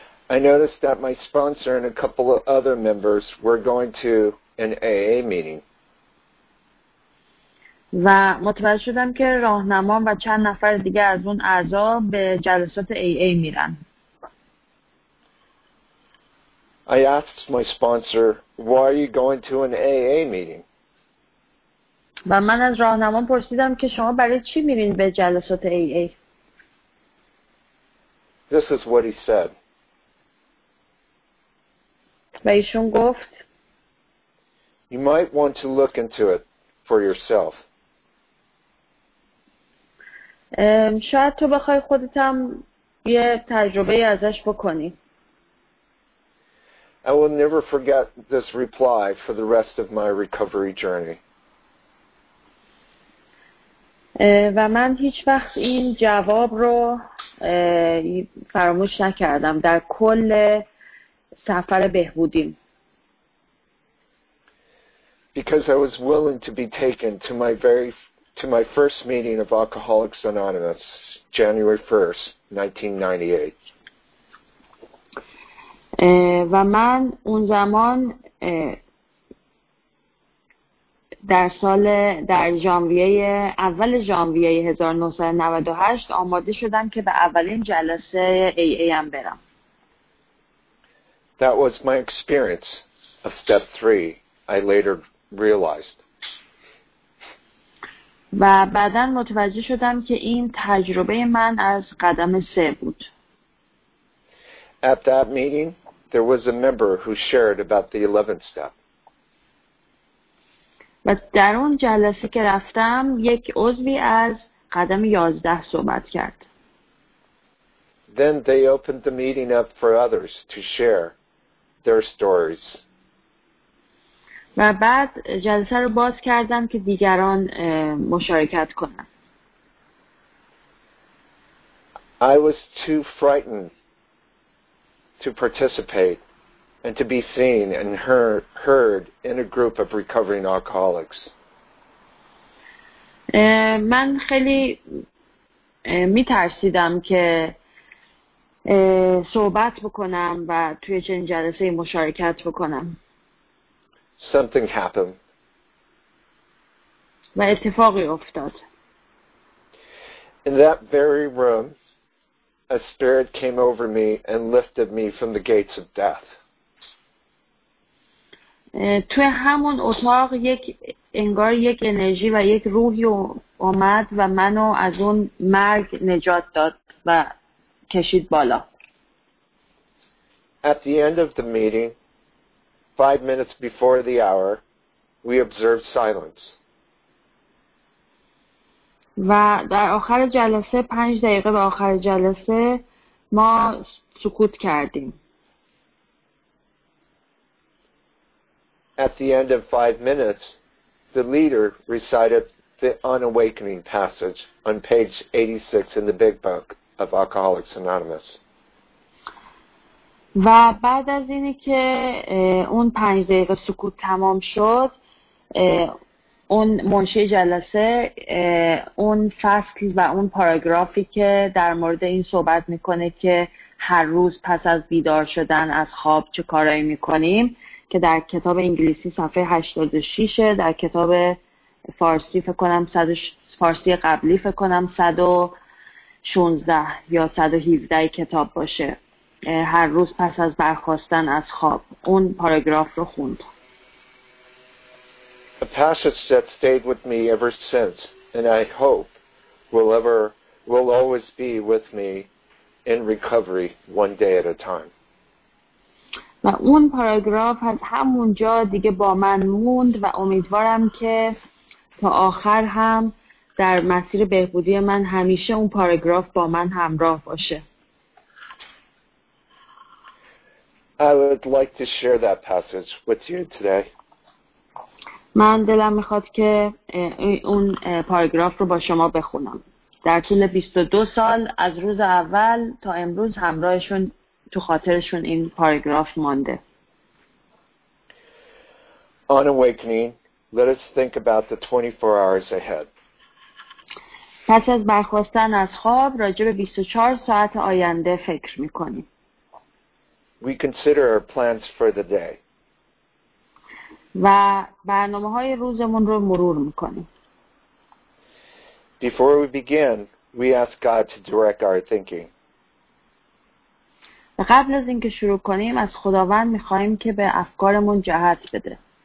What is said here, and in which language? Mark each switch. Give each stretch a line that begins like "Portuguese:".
English: I noticed that my sponsor and a couple of other members were going to an AA meeting.
Persian: و متوجه شدم که راهنمام و چند نفر دیگه از اون اعضا به جلسات AA میرن.
English: I asked my sponsor, why are you going to an AA meeting?
Persian: و من از راهنمام پرسیدم که شما برای چی میرین به جلسات AA؟
English: This is what he said.
Persian: و ایشون گفت
English: You might want to look into it for yourself.
Persian: شاید تو بخوای خودت هم یه تجربه ازش بکنی.
English: I will never forget this reply for the rest of my recovery journey.
Persian: و من هیچ وقت این جواب رو فراموش نکردم در کل سفر بهبودیم.
English: Because I was willing to be taken to my very to my first meeting of Alcoholics Anonymous, January 1st, 1998.
Persian: و من اون زمان در سال در ژانویه اول ژانویه 1998 آماده شدم که به اولین جلسه AA ام برم.
English: That was my experience of step 3. I later realized.
Persian: و بعداً متوجه شدم که این تجربه من از قدم 3 بود.
English: At that meeting, there was a member who shared about the 11th step.
Persian: و در اون جلسه که رفتم یک عضوی از قدم 11 صحبت کرد.
English: Then they opened the meeting up for others to share their stories.
Persian: و بعد جلسه رو باز کردم که دیگران مشارکت کنن.
English: I was too frightened to participate and to be seen and heard in a group of recovering alcoholics.
Persian: من خیلی میترسیدم که صحبت بکنم و توی چنین جلسه مشارکت بکنم.
English: Something happened.
Persian: و اتفاقی افتاد.
English: In that very room, a spirit came over me and lifted me from the gates of death.
Persian: توی همون اتاق یک انگار یک انرژی و یک روحی اومد و منو از اون مرگ نجات داد و کشید بالا.
English: At the end of the meeting, 5 minutes before the hour, we observed silence.
Persian: و در آخر جلسه 5 دقیقه به آخر جلسه ما سکوت کردیم.
English: At the end of 5 minutes, the leader recited the unawakening passage on page 86 in the big book of Alcoholics Anonymous.
Persian: و بعد از اینی که اون 5 دقیقه سکوت تمام شد اون منشی جلسه اون فصل و اون پاراگرافی که در مورد این صحبت میکنه که هر روز پس از بیدار شدن از خواب چه کارایی میکنیم که در کتاب انگلیسی صفحه 86 در کتاب فارسی فکر کنم فارسی قبلی فکر کنم 116 یا 117 کتاب باشه هر روز پس از برخاستن از خواب اون پاراگراف رو خوند.
English: A passage that stayed with me ever since and I hope will always be with me in recovery one day at a time.
Persian: و اون پاراگراف از همونجا دیگه با من موند و امیدوارم که تا آخر هم در مسیر بهبودی من همیشه اون پاراگراف با من همراه باشه.
English: I would like to share that passage with you today.
Persian: من دلم میخواد که اون پاراگراف رو با شما بخونم. در طول 22 سال از روز اول تا امروز همراهشون تو خاطرشون این پاراگراف مانده.
English: On awakening, let us think about the 24 hours ahead.
Persian: پس از برخواستن از خواب راجع به 24 ساعت آینده فکر میکنیم.
English: We consider our plans for the day.
Persian: و برنامه های روزمون رو مرور میکنیم.
English: Before we begin, we ask God to direct our thinking.
Persian: و قبل از اینکه شروع کنیم از خداوند میخواییم که به افکارمون جهت بده.